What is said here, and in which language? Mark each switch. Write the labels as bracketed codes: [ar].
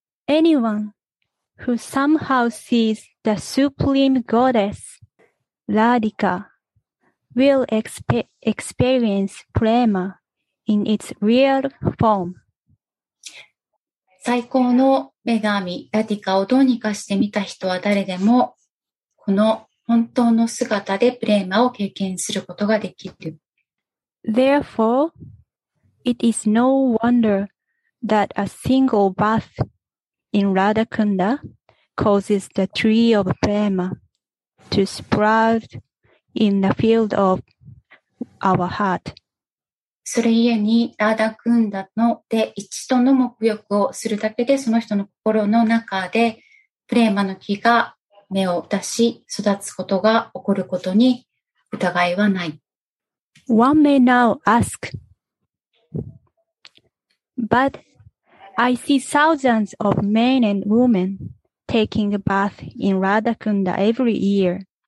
[en] Anyone who somehow sees the supreme goddess Radhika will experience prema in its real form. [ja] 最高の女神ラディカをどうにかして見た人は誰でもこの本当の姿でプレマを経験することができる。 [en] Therefore, it is no wonder that a single bath in Radhakunda causes the tree of prema to sprout in the field of our heart. [ja] それゆえにラダクンダので一度の沐浴をするだけでその人の心の中でプレマの木が芽を出し育つことが起こることに疑いはない。 [en] One may now ask, but I see thousands of men and women taking a bath in Radhakunda every year.